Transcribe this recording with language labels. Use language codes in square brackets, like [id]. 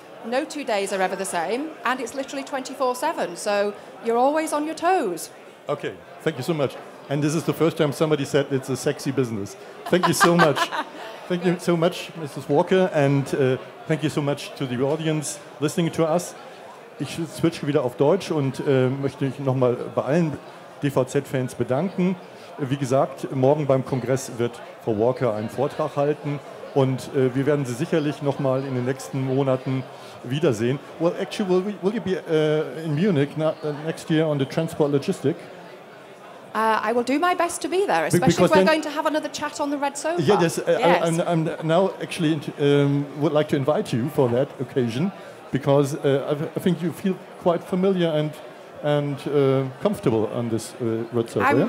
[en] No 2 days are ever the same, and it's literally 24/7, so you're always on your toes. Okay, thank you so much. And this is the first time somebody said it's a sexy business. Thank you so much. Thank you so much, Mrs. Walker, and thank you so much to the audience listening to us. [de] Ich switche wieder auf Deutsch und möchte mich nochmal bei allen DVZ-Fans bedanken. Wie gesagt, morgen beim Kongress wird Frau Walker einen Vortrag halten. Und wir werden Sie sicherlich nochmal in den nächsten Monaten wiedersehen. [en] Well, actually, will you be in Munich next year on the transport logistic? I will do my best to be there, especially because if we're going to have another chat on the red sofa. Yeah, yes. I'm now actually would like to invite you for that occasion, because I think you feel quite familiar and comfortable on this red sofa.